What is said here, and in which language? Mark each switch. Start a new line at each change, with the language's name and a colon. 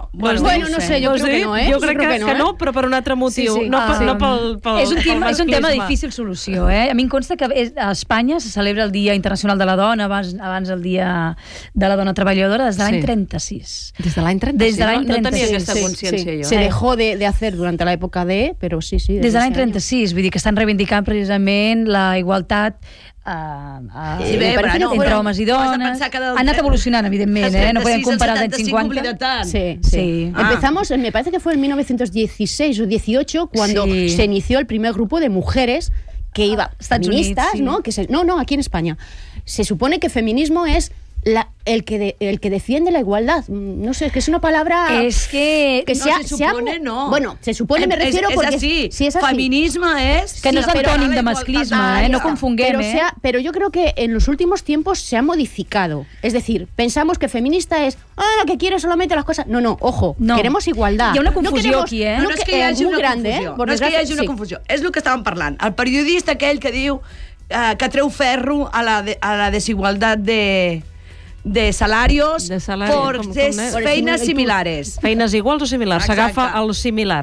Catalan: Bueno, no sé, jo crec que no. Jo crec que no, però per un altre motiu. És un tema difícil solució, A mi em consta que a Espanya se celebra el Dia Internacional de la Dona abans el Dia de la Dona Treballadora des de l'any 36. Des de l'any 36? Des de l'any 36. No tenia aquesta consciència jo.
Spanish: Se dejó de hacer durante la época de...
Catalan: Però sí. Des de l'any 36, vull dir que estan reivindicant precisament la igualtat entre homes i dones. Ha anat evolucionant, evidentment, no podem comparar els anys 50.
Spanish: Empezamos, me parece que fue en 1916 o 18 cuando se inició el primer grupo de mujeres que iba, feministas, ¿no? Aquí en España. se supone que feminismo es el que defiende la igualdad. No sé, es que es una palabra... Es que no, se supone, no. Bueno, se supone, me refiero, es así. Feminismo es...
Catalan: Que no es antónim de masclisme, no confunguem,
Spanish: pero, pero yo creo que en los últimos tiempos se ha modificado. Es decir, pensamos que feminista es... Ah, que quiere solamente las cosas... No, no, ojo, no. Queremos igualdad.
Catalan: Hi ha una confusió aquí, eh? No és que hi hagi una grande, confusió. No és que hi hagi una confusió. És el que estàvem parlant. El periodista aquell que diu que treu ferro a la desigualtat de
Spanish: salarios, por
Catalan: feines similares. Feines iguals o similars, s'agafa el similar.